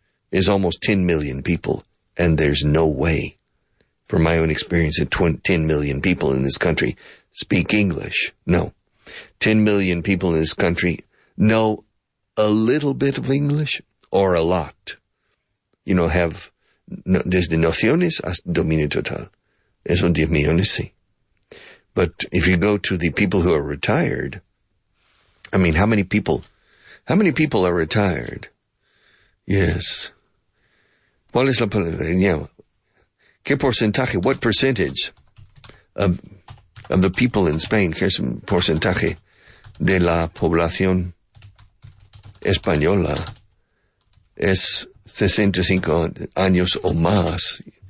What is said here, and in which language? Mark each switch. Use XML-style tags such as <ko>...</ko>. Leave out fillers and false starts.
<en>is almost 10 million people, and there's no way, from my own experience, that 10 million people in this country speak English. No. 10 million people in this country know a little bit of English or a lot. You know, have</en> <es>desde nociones hasta dominio total. Eso 10 millones, sí.</es> <en>But if you go to the people who are retired, I mean, how many people are retired? Yes.</en> <es>¿Cuál es la,</es> <en>you know,</en> <es>qué porcentaje,</es> <en>what percentage of the people in Spain,</en> <es>qué es un porcentaje de la población española es 65 años o más?</es>